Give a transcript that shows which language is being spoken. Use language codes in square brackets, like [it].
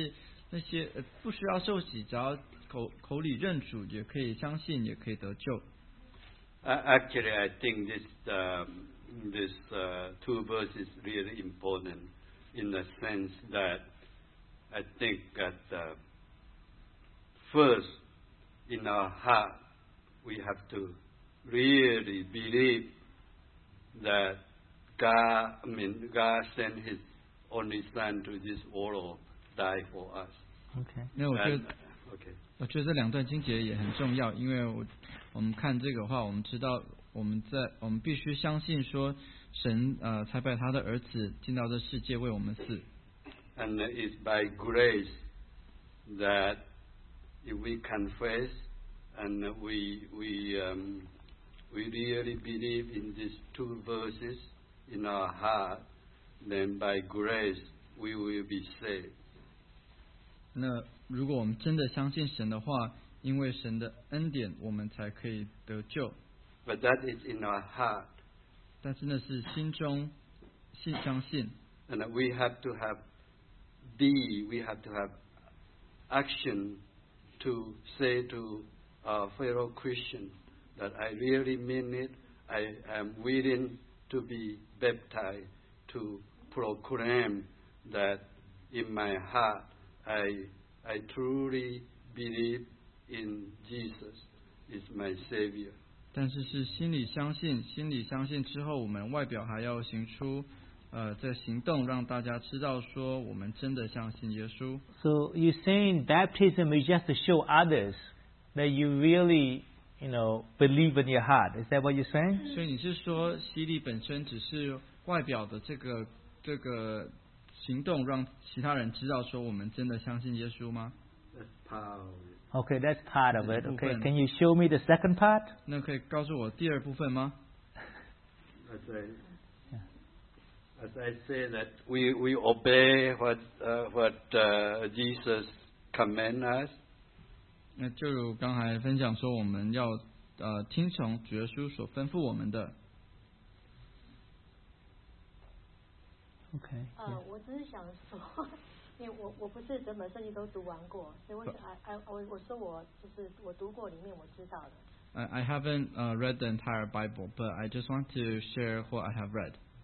[zh] 所以我同意你的说法，那些想要受洗的人可以受洗，但是那些不需要受洗， 只要 口里认主也可以相信，也可以得救。 [en] Actually, I think this two verses is really important in the sense that I think that first in our heart we have to really believe that God sent His only Son to this world, die for us. Okay. And, [zh] 我觉得这两段经节也很重要，因为我我们看这个话，我们知道我们必须相信说神才把他的儿子进到这世界为我们死。 [en] And it's by grace that if we confess and we really believe in these two verses in our heart, then by grace we will be saved. [zh] 那如果我们真的相信神的话，因为神的恩典，我们才可以得救。 [en] But that is in our heart. [zh] 但是那是心中信相信。 [en] And we have to have deed. We have to have action to say to our fellow Christian that I really mean it. I am willing to be baptized to proclaim that in my heart I truly believe in Jesus is my Savior. [zh] 但是是心里相信，心里相信之后，我们外表还要行出，在行动让大家知道说我们真的相信耶稣。 [en] So you saying baptism is just to show others that you really, you know, believe in your heart? Is that what you saying? [zh] 所以你是说洗礼本身只是外表的这个行动，让其他人知道说我们真的相信耶稣吗？ [en] That's powerful. Okay, that's part of it. Okay, can you show me the second part? [zh] 那可以告诉我第二部分吗？ [en] As I say that we obey what Jesus command us. [zh] 那就如刚才分享说，我们要听从主耶稣所吩咐我们的。 [en] Okay. [zh] 我只是想说，因为我不是整本圣经都读完过，所以我说我就是我读过里面我知道的。 [en] I haven't read the entire Bible, but I just want to share what I have read.